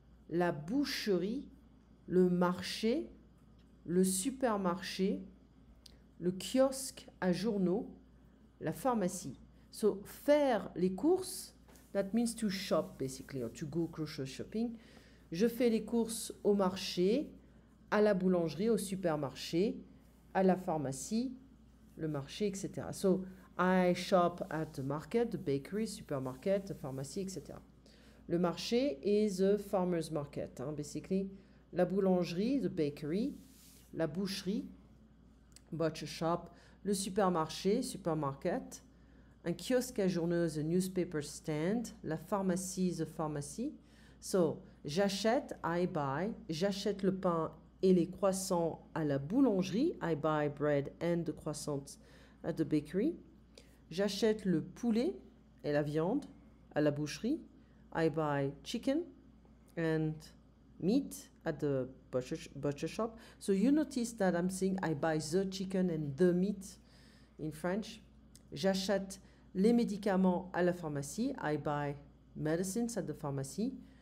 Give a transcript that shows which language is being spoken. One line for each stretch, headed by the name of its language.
French: la boucherie, le marché, le supermarché, le kiosque à journaux, la pharmacie.
English: So,
French: faire les courses,
English: that means to shop, basically, or to go grocery shopping.
French: Je fais les courses au marché, à la boulangerie, au supermarché, à la pharmacie, le marché, etc.
English: So, I shop at the market, the bakery, supermarket, the pharmacy, etc. Le marché is a farmer's market, hein, basically.
French: La boulangerie, the bakery, la boucherie, butcher shop, le supermarché, supermarket, un kiosque à journaux, the newspaper stand, la pharmacie, the pharmacy.
English: So, j'achète, I buy,
French: j'achète le pain et les croissants à la boulangerie,
English: I buy bread and the croissants at the bakery.
French: J'achète le poulet et la viande à la boucherie.
English: I buy chicken and meat at the butcher shop. So you notice that I'm saying I buy the chicken and the meat in French.
French: J'achète les médicaments à la pharmacie.
English: I buy medicines at the pharmacy.